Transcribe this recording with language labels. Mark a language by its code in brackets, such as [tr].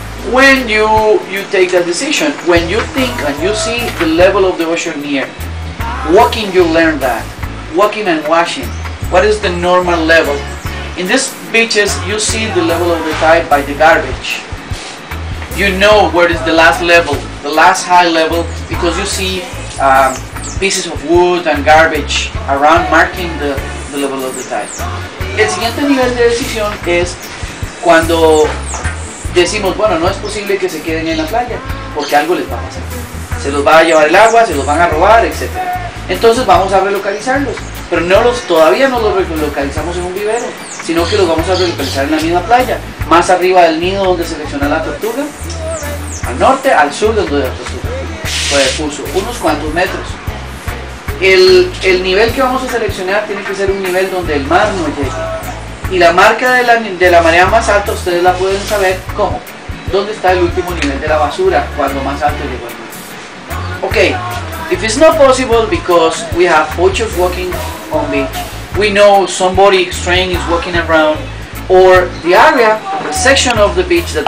[en] When you take that decision, when you think and you see the level of the ocean near, walking you learn that, walking and washing, what is the normal level? In these beaches, you see the level of the tide by the garbage. You know where is the last level, the last high level, because you see pieces of wood and garbage around marking the level of the tide. [es] El siguiente nivel de decisión es cuando decimos, bueno, no es posible que se queden en la playa, porque algo les va a pasar. Se los va a llevar el agua, se los van a robar, etc. Entonces vamos a relocalizarlos, pero todavía no los relocalizamos en un vivero, sino que los vamos a relocalizar en la misma playa, más arriba del nido donde selecciona la tortuga, al norte, al sur de donde la tortuga puso unos cuantos metros. El nivel que vamos a seleccionar tiene que ser un nivel donde el mar no llegue. Y la marca de la marea más alta, ustedes la pueden saber, ¿cómo? ¿Dónde está el último nivel de la basura cuando más alto llegó el mar? [en] Ok, if it's not possible because we have poachers walking on beach, we know somebody strange is walking around, or the area, the section of the beach that...